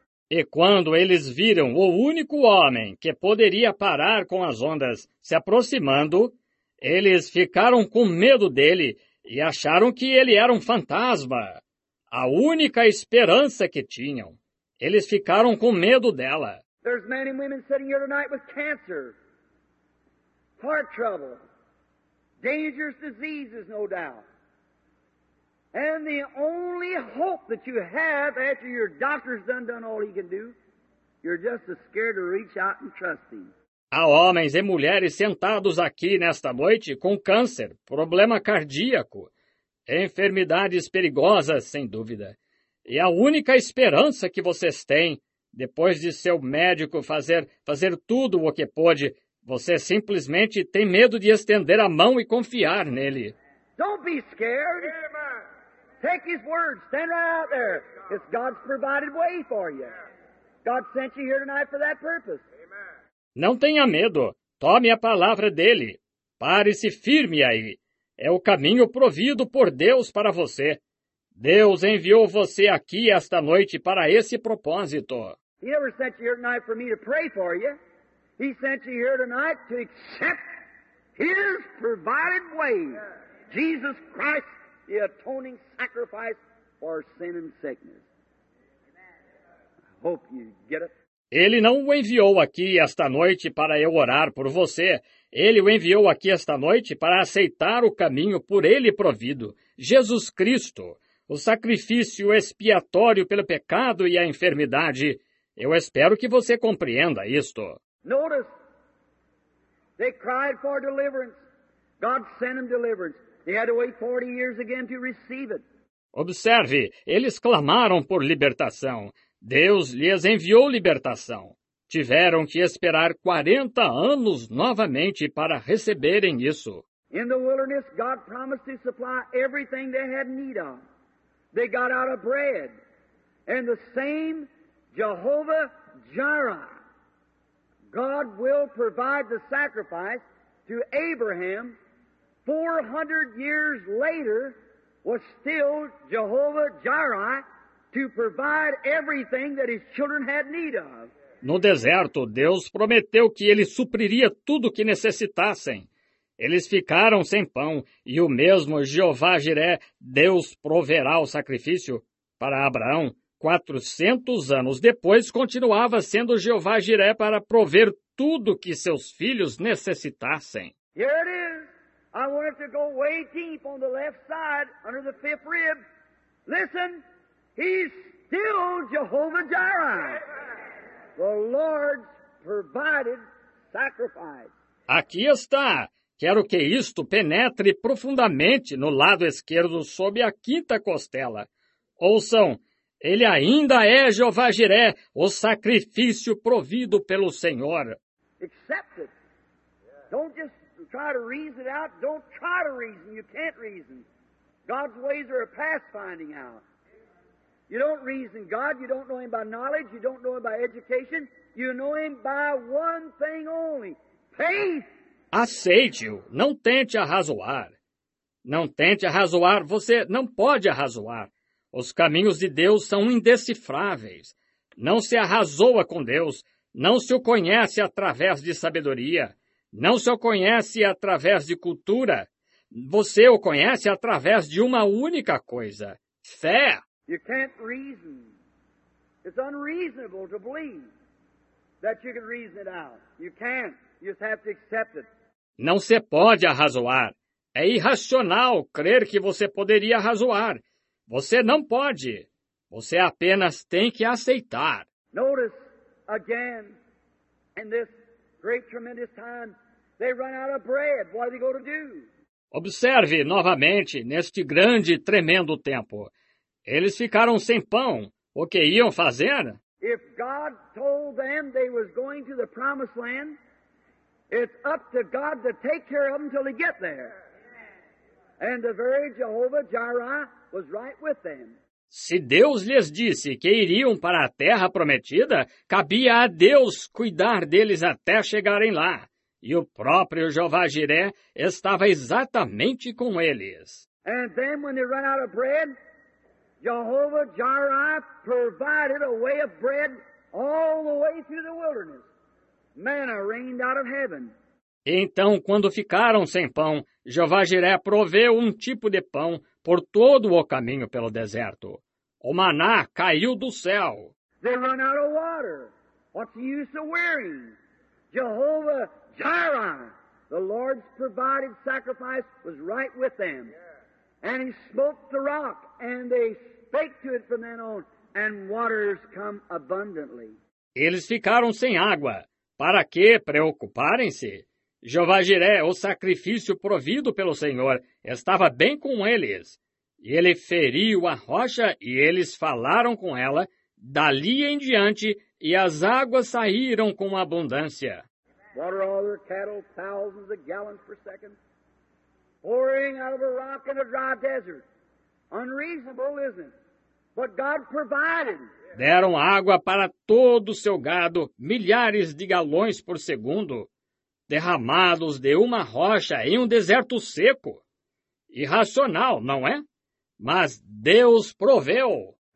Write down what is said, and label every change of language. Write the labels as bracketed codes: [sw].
[pt] E quando eles viram o único homem que poderia parar com as ondas se aproximando, eles ficaram com medo dele e acharam que ele era um fantasma, a única esperança que tinham. Eles ficaram com medo dela. [en] There's men and women sitting here tonight with cancer, heart trouble, dangerous diseases, no doubt. And the only hope that you have after your doctor's done all he can do, you're just as scared to reach out and trust him. [pt] Há homens e mulheres sentados aqui nesta noite com câncer, problema cardíaco, enfermidades perigosas, sem dúvida. E a única esperança que vocês têm, depois de seu médico fazer tudo o que pôde, você simplesmente tem medo de estender a mão e confiar nele. [en] Don't be scared. Take his word. Stand right out there. It's God's provided way for you. God sent you here tonight for that purpose. [pt] Não tenha medo. Tome a palavra dele. Pare-se firme aí. É o caminho provido por Deus para você. Deus enviou você aqui esta noite para esse propósito. [en] He never sent you here tonight for me to pray for you. He sent you here tonight to accept his provided way. Jesus Christ, the atoning sacrifice for sin and sickness. I hope you get it. [pt] Ele não o enviou aqui esta noite para eu orar por você. Ele o enviou aqui esta noite para aceitar o caminho por ele provido. Jesus Cristo, o sacrifício expiatório pelo pecado e a enfermidade. Eu espero que você compreenda isto. [en] Notice, they cried for deliverance. God sent them deliverance. They had to wait 40 years again to receive it. [pt] Observe, eles clamaram por libertação. Deus lhes enviou libertação. Tiveram que esperar 40 anos novamente para receberem isso. [en] In the wilderness, God promised to supply everything they had need of. They got out of bread. And the same Jehovah Jireh, God will provide the sacrifice to Abraham 400 years later, was still Jehovah Jireh, to provide everything that his children had need of. [pt] No deserto, Deus prometeu que ele supriria tudo o que necessitassem. Eles ficaram sem pão, e o mesmo Jeová Jireh, Deus proverá o sacrifício para Abraão. 400 anos depois, continuava sendo Jeová Jireh para prover tudo o que seus filhos necessitassem. [en] Here it is. I wanted to go way deep on the left side, under the fifth rib. Listen. He's still Jehovah Jireh, the Lord's provided sacrifice. [pt] Aqui está. Quero que isto penetre profundamente no lado esquerdo sob a quinta costela. Ouçam, ele ainda é Jeová Jiré, o sacrifício provido pelo Senhor. [en] Accept it. Don't just try to reason it out. Don't try to reason. You can't reason. God's ways are a past finding out. You don't reason God. You don't know him by knowledge. You don't know him by education. You know him by one thing only. Faith. [pt] Aceite-o. Não tente arrazoar. Não tente arrazoar. Você não pode arrazoar. Os caminhos de Deus são indecifráveis. Não se arrazoa com Deus. Não se o conhece através de sabedoria. Não se o conhece através de cultura. Você o conhece através de uma única coisa. Fé. [en] You can't reason. It's unreasonable to believe that you can reason it out. You can't. You just have to accept it. [pt] Não se pode arrazoar. É irracional crer que você poderia arrazoar. Você não pode. Você apenas tem que aceitar. [en] Notice again, in this great tremendous time, they run out of bread. What are they going to do? [pt] Observe novamente neste grande tremendo tempo. Eles ficaram sem pão. O que iam fazer? [en] If God told them they was going to the promised land, it's up to God to take care of them until they get there. And the very Jehovah Jireh was right with them. [pt] Se Deus lhes disse que iriam para a terra prometida, cabia a Deus cuidar deles até chegarem lá. E o próprio Jeová Jiré estava exatamente com eles. [en] And then when they ran out of bread, Jehovah Jireh provided a way of bread all the way through the wilderness. Manna rained out of heaven. [pt] Então, quando ficaram sem pão, Jeová Jiré proveu um tipo de pão por todo o caminho pelo deserto. O maná caiu do céu. [en] They run out of water. What's the use of wearing? Jehovah Jireh, the Lord's provided sacrifice, was right with them. And he smote the rock, and they spake to it from then on, and waters come abundantly. [pt] Eles ficaram sem água. Para que preocuparem-se? Jeová Jiré, o sacrifício provido pelo Senhor, estava bem com eles. E ele feriu a rocha e eles falaram com ela, dali em diante, e as águas saíram com abundância. [en] Water all their cattle, thousands of gallons per second, pouring out of a rock in a dry desert. Unreasonable, isn't it? But God provided. [pt] Deram água para todo o seu gado, milhares de galões por segundo, derramados de uma rocha em um deserto seco. Irracional, não é? Mas Deus proveu.